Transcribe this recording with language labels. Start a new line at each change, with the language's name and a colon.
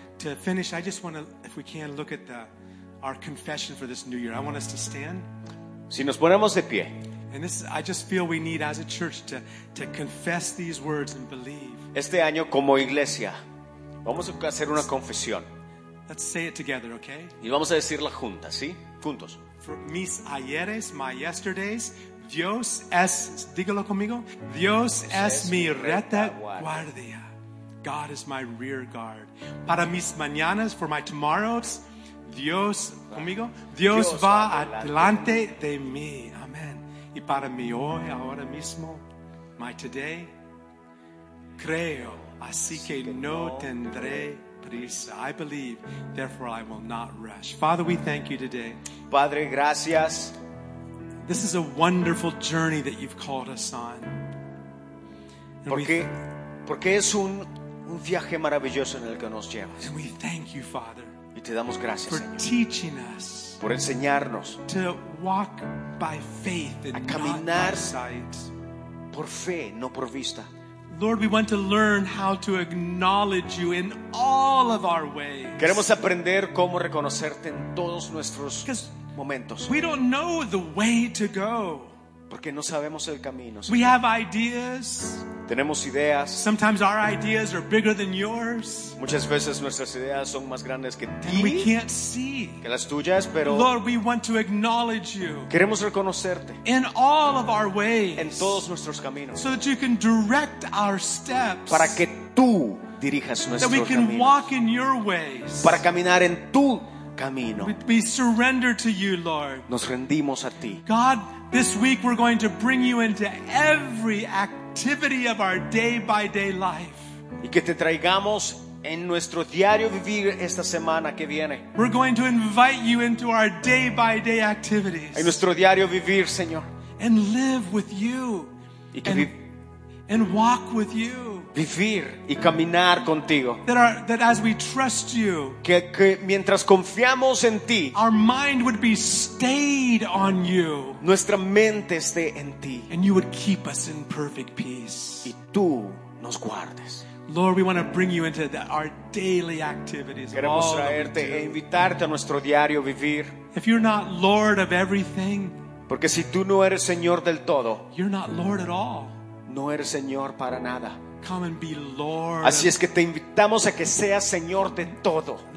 English: To finish, I just want to, if we can, look at our confession for this new year. I want us to stand.
Spanish: Si nos ponemos de pie.
English: And this, I just feel we need as a church to confess these words and believe.
Spanish: Este año como iglesia, vamos a hacer una confesión.
English: Let's say it together, okay?
Spanish: Y vamos a decirla juntas, ¿sí? Juntos. For mis ayeres,
English: my yesterdays,
Spanish: Dios es, dígalo conmigo, Dios es mi retaguardia.
English: God is my rear guard.
Spanish: Para mis mañanas,
English: for my tomorrows,
Spanish: Dios, conmigo, Dios va adelante de mí. Amen. Y para mi hoy, ahora mismo,
English: my today,
Spanish: creo, así que no tendré prisa.
English: I believe, therefore I will not rush. Father, we thank you today.
Spanish: Padre, gracias.
English: This is a wonderful journey that you've called us on.
Spanish: Porque es un viaje maravilloso en el que nos llevas.
English: And we thank you, Father,
Spanish: y te damos gracias,
English: for
Spanish: Señor,
English: teaching us,
Spanish: por enseñarnos,
English: to walk by faith and
Spanish: a caminar
English: not by sight,
Spanish: por fe, no por vista.
English: Lord, we want to learn how to acknowledge you in all of our ways.
Spanish: Queremos aprender cómo reconocerte en todos nuestros momentos.
English: We don't know the way to go.
Spanish: Porque no sabemos el camino.
English: We have ideas.
Spanish: Tenemos ideas.
English: Sometimes our ideas are bigger than yours.
Spanish: Muchas veces nuestras ideas son más grandes que ti.
English: We can't see.
Spanish: Que las tuyas, pero
English: Lord, we want to acknowledge you.
Spanish: Queremos reconocerte.
English: In all of our ways.
Spanish: En todos nuestros caminos.
English: So that you can direct our steps.
Spanish: Para que tú dirijas nuestros caminos.
English: That we can walk in your ways.
Spanish: Para caminar en tu camino.
English: We surrender to you, Lord.
Spanish: Nos rendimos a ti.
English: God, this week we're going to bring you into every activity of our day by day life.
Spanish: Y que te traigamos en nuestro diario vivir esta semana que viene.
English: We're going to invite you into our day by day activities.
Spanish: En nuestro diario vivir, Señor.
English: And live with you.
Spanish: Y que
English: and walk with you.
Spanish: Vivir y caminar contigo.
English: That as we trust you,
Spanish: que mientras confiamos en ti,
English: our mind would be stayed on you,
Spanish: nuestra mente esté en ti,
English: and you would keep us in perfect peace,
Spanish: y tú nos guardes.
English: Lord, we want to bring you into our daily activities.
Spanish: Queremos traerte e invitarte a nuestro diario vivir.
English: If you're not Lord of everything,
Spanish: porque si tú no eres Señor del todo,
English: you're not Lord at all.
Spanish: No eres Señor para nada.
English: Come and be Lord.
Spanish: Así es que te invitamos a que seas Señor de todo.